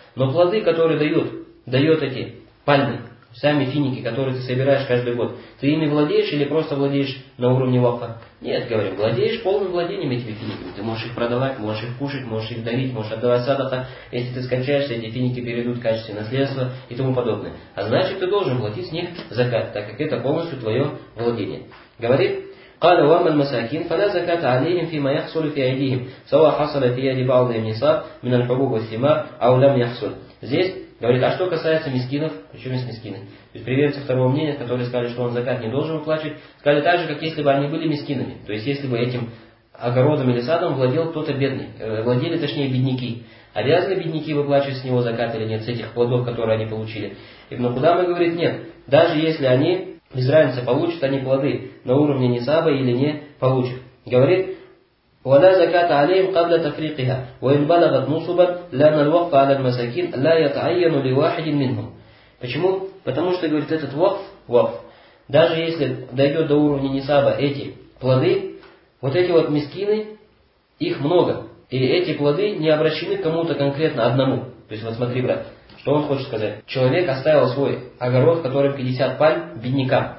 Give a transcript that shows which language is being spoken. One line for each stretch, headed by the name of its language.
Russian: Но плоды, которые дают эти пальмы, сами финики, которые ты собираешь каждый год, ты ими владеешь или просто владеешь на уровне вакфа? Нет, говорю, владеешь полным владением этими финиками. Ты можешь их продавать, можешь их кушать, можешь их давить, можешь отдавать садаха. Если ты скончаешься, эти финики перейдут в качестве наследства и тому подобное. А значит, ты должен платить с них закат, так как это полностью твое владение. Говорит,
Arabic: قالوا وما المساكين فلا زكاة عليهم فيما يحصل في أيديهم سواء حصل في أيدي بعض النصاب من الحبوب والثمار أو لم يحصل.
Russian: Здесь говорит, а что касается мискинов, почему есть мискины? То есть приверженцы второго мнения, которые сказали, что он закат не должен уплачивать, сказали так же, как если бы они были мискинами. То есть если бы этим огородом или садом владел кто-то бедный, владели точнее бедняки. Обязаны бедняки выплачивать с него закат или нет, с этих плодов, которые они получили? Ибн Кудама говорит, нет, даже если они, без разницы, получат они плоды на уровне нисаба или не получат. Говорит,
Arabic: ولا زكاة عليهم قبل تفريقها وإن بلغت نصبا لأن الوقف على المساكين لا يتعين لواحد منهم.
Russian: Почему? Потому что, говорит, этот вакф, даже если дойдет до уровня нисаба эти плоды, вот эти вот мискины, их много. И эти плоды не обращены кому-то конкретно одному. То есть вот смотри, брат, что он хочет сказать. Человек оставил свой огород, в котором 50 пальм, беднякам.